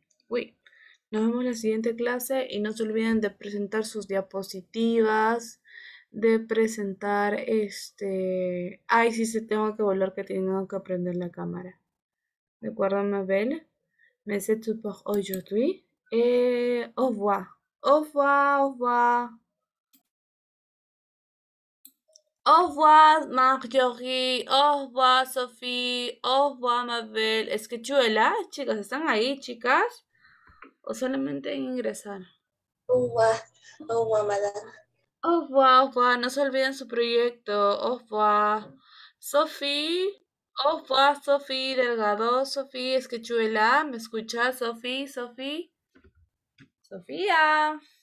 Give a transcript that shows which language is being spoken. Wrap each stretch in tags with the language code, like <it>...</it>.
<es>Oui, nos vemos en la siguiente clase y no se olviden de presentar sus diapositivas, de presentar este. Ay, sí, se tengo que volver que tengo que prender la cámara. ¿De acuerdo, Mabel?</es> <fr>Mais c'est tout pour aujourd'hui. Et au revoir. Au revoir, au revoir. Au revoir, Marjorie. Au revoir, Sophie. Au revoir, Mabel. Est-ce que tu es là,</fr> <es>chicas? ¿Están ahí, chicas? ¿O solamente en ingresar?</es> <fr>Au revoir, au revoir.</fr> <es>No se olviden su proyecto.</es> <fr>Au revoir. Sophie. Au revoir, Sophie Delgado.</fr> <es>Sophie, es que chuela. ¿Me escuchas, Sophie? Sophie. Sofía.</es>